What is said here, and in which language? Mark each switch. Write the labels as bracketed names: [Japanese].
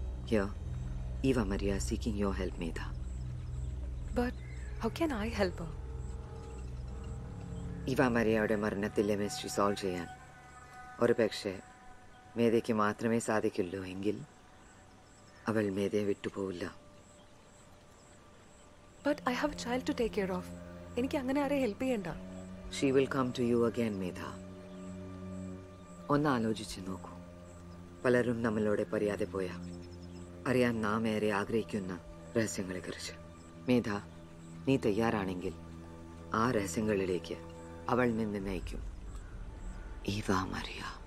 [English] Here Eva Maria seeking your help Medha. But how can I help her? [Malayalam] ഇവ മരിയയുടെ മരണത്തിലെ mystery solve ചെയ്യാൻ ഒരു പക്ഷേ മേധയ്ക്ക് മാത്രമേ സാധിക്കുള്ളൂ. എങ്കിൽ അവൾ മേധയെ വിട്ടുപോവില്ല. [English] But I have a child to take care of. [Malayalam] എനിക്ക് അങ്ങനെ ആരെ ഹെൽപ്പ് ചെയ്യണ്ട. [English] She will come to you again, Medha. [Malayalam] ഒന്ന് ആലോചിച്ച് നോക്കൂ. പലരും നമ്മളോടെ പറയാതെ പോയ അറിയാൻ നാം ഏറെ ആഗ്രഹിക്കുന്ന രഹസ്യങ്ങളെ കുറിച്ച്. മേധ, നീ തയ്യാറാണെങ്കിൽ ആ രഹസ്യങ്ങളിലേക്ക് അവൾ നിന്നെ നയിക്കും. ഈവാ മരിയ.